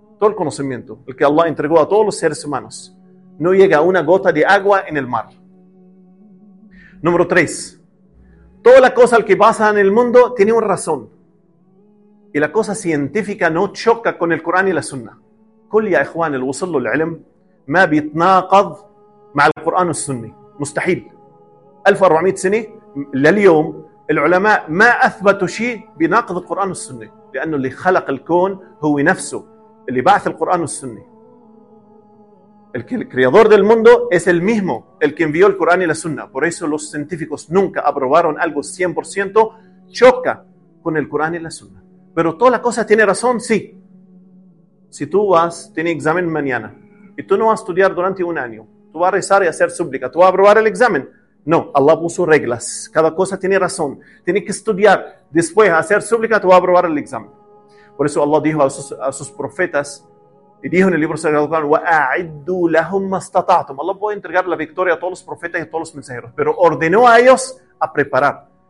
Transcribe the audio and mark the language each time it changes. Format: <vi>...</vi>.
<es>Todo el conocimiento, el que Allah entregó a todos los seres humanos, no llega a una gota de agua en el mar. Número 3. Toda la cosa que pasa en el mundo tiene una razón. Y la cosa científica no choca con el Corán y la Sunna.</es> <ar>كل يا إخوان الوصل للعلم ما بيتناقض مع القرآن والسنة. مستحيل. 1400 سنة لليوم العلماء ما أثبتوا شيء بناقض القرآن والسنة. لأنه اللي خلق الكون هو نفسه. اللي بعث القرآن والسنة</ar> <es>el creador del mundo es el mismo el que envió el Corán y la Sunna por eso los científicos nunca aprobaron algo 100% choca con el Corán y la Sunna pero toda la cosa tiene razón, sí si tú vas, tienes examen mañana y tú no vas a estudiar durante un año tú vas a rezar y hacer súplica tú vas a aprobar el examen no, Allah puso reglas cada cosa tiene razón tienes que estudiar después hacer súplica tú vas a aprobar el examen Por eso Allah dijo a sus profetas y dijo en el libro sagrado</es> <ar>وَأَعِدُّوا لَهُمْ مَسْتَطَعْتُمْ</ar> <es>Allah puede entregar la victoria a todos los profetas y a todos los mensajeros pero ordenó a ellos a preparar</es>